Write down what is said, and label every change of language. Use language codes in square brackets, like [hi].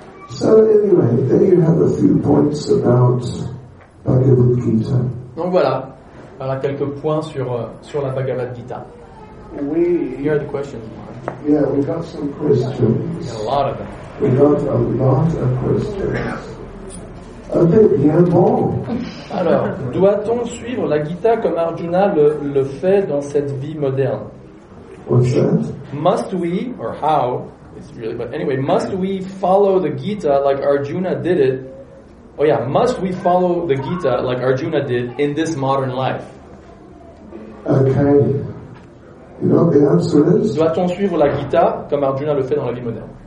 [en] So anyway, there you have a few points about Bhagavad Gita. [fr] Donc voilà quelques points sur la Bagavad Gita. [en] We heard the questions. Yeah, we got some questions. A lot of them. We got a lot of questions. Okay, [fr] bien bon. Alors, doit-on suivre la Gita comme Arjuna le fait dans cette vie moderne? [en] What's that? Must we or how? Must we follow the Gita like Arjuna did it? Must we follow the Gita like Arjuna did in this modern life? Okay. You know, the answer is, [fr] doit-on suivre la Gita comme Arjuna le fait dans la vie moderne?